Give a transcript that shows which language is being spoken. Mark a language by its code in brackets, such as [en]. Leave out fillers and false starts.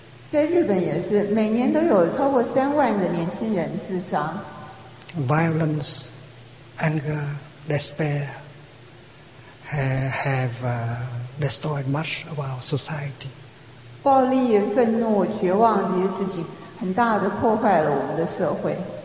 [zh] 在日本也是，每年都有超过30,000的年轻人自杀。 [en] Violence, anger, despair have destroyed much of our society. [zh] 暴力、愤怒、绝望这些事情，很大的破坏了我们的社会。